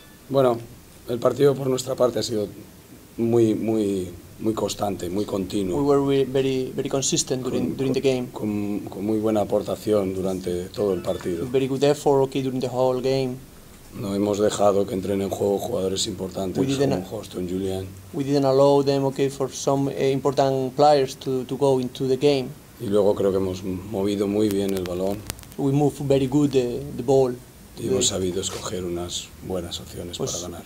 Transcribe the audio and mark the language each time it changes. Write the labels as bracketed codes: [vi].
[es] Bueno, el partido por nuestra parte ha sido muy muy muy constante, muy continuo. [en] We were very very consistent during the game. [es] Con muy buena aportación durante todo el partido. [en] Very good effort, okay, during the whole game. [es] No hemos dejado que entren en juego jugadores importantes como Houston, Julian. [en] We didn't allow them, okay, for some important players to go into the game. [es] Y luego creo que hemos movido muy bien el balón. [en] We moved very good the ball. [es] Y hemos sabido escoger unas buenas opciones para ganar.